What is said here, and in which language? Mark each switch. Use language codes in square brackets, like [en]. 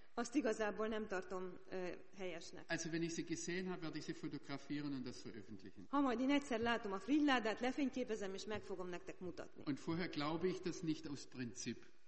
[hu] Azt igazából nem tartom helyesnek. [de] Also wenn ich sie gesehen habe, werde ich sie fotografieren und das veröffentlichen. [hu] Ha majd én egyszer látom a Frigyládát, lefényképezem és meg fogom nektek mutatni. [de] Und vorher glaube ich das nicht aus Prinzip.